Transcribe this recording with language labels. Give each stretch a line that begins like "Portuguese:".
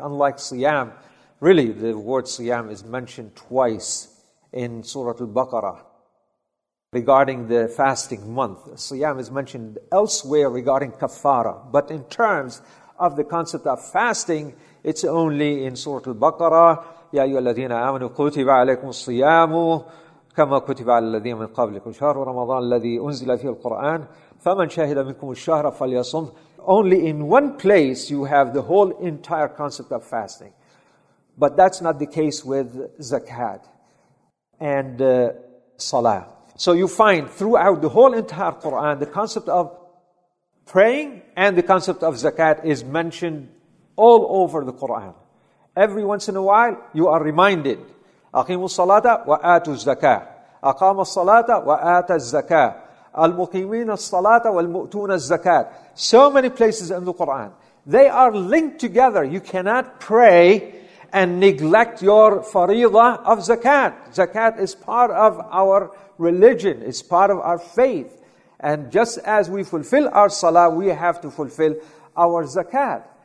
English: Unlike siyam, really the word siyam is mentioned twice in Surah Al-Baqarah regarding the fasting month. Siyam is mentioned elsewhere regarding kafara, but in terms of the concept of fasting, it's only in Surah Al-Baqarah.
Arabic: يا أيها الذين آمنوا كتب عليكم الصيام كما كتب على الذين من قبلكم شهر رمضان الذي أنزل فيه القرآن فمن شهد منكم الشهر فليصم.
English: Only in one place you have the whole entire concept of fasting. But that's not the case with zakat and salah. So you find throughout the whole entire Quran the concept of praying and the concept of zakat is mentioned all over the Quran. Every once in a while, you are reminded.
Arabic: أقيموا الصلاة وآتوا الزكاة. أقام الصلاة وآتى الزكاة. المقيمين الصلاة والمؤتون الزكاة.
English: So many places in the Quran. They are linked together. You cannot pray and neglect your fariḍa of zakat. Zakat is part of our religion. It's part of our faith. And just as we fulfill our salah, we have to fulfill our zakat.